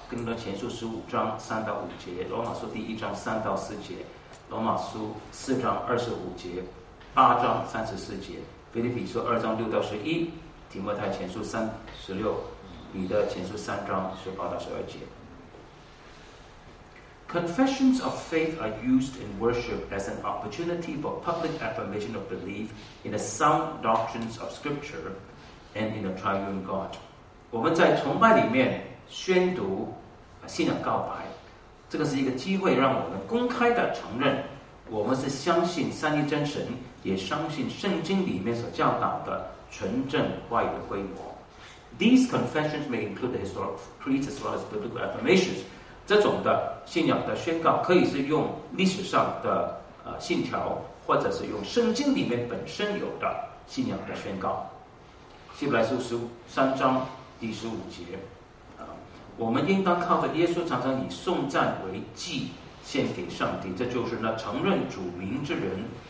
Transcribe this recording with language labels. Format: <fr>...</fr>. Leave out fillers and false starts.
<zh>哥林多前书十五章三到五节，罗马书第一章三到四节，罗马书四章二十五节。八章三十四节，腓立比书二章六到十一，提摩太前书三十六，彼得前书三章十八到十二节。</zh> <en>Confessions of faith are used in worship as an opportunity for public affirmation of belief in the sound doctrines of Scripture and in the Triune God。</en> <zh>我们在崇拜里面宣读信仰告白，这个是一个机会，让我们公开的承认我们是相信三一真神。也相信圣经里面所教导的纯正话语的规模。</zh> <en>These confessions may include the historic creeds as well as biblical affirmations。</en> <zh>这种的信仰的宣告可以是用历史上的信条，或者是用圣经里面本身有的信仰的宣告。希伯来书十三章第十五节，我们应当靠着耶稣常常以颂赞为祭献给上帝，这就是那承认主名之人。</zh>